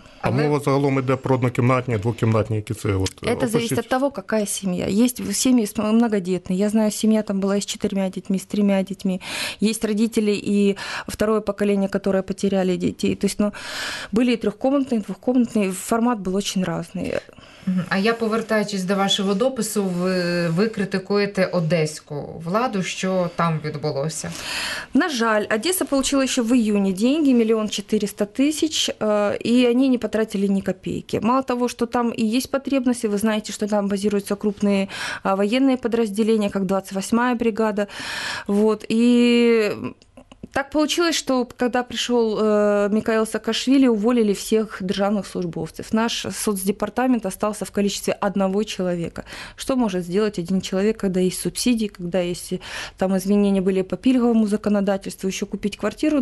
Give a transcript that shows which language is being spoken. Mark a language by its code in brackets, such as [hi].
[uk] А мова загалом [ru] идет про однокомнатные, двухкомнатные, какие цели? Вот, это опишите. Зависит от того, какая семья. Есть семьи многодетные. Я знаю, семья там была с 4 детьми, с 3 детьми. Есть родители и второе поколение, которые потеряли детей. То есть, ну, были и трехкомнатные, и двухкомнатные. Формат был очень разный. [uk] А я, повертаючись до вашого допису, ви критикуєте одеську владу, що там відбулося? На жаль, Одеса отримала ще в грудні гроші, 1 400 000, і вони не потратили ні копійки. Мало того, що там і є потребності, ви знаєте, що там базуються крупні воєнні підрозділення, як 28-я бригада. Вот, і... [ru] Так получилось, что когда пришел Михаил Саакашвили, уволили всех державных службовцев. Наш соцдепартамент остался в количестве 1 человека. Что может сделать 1 человек, когда есть субсидии, когда есть там изменения были по пильговому законодательству, еще купить квартиру?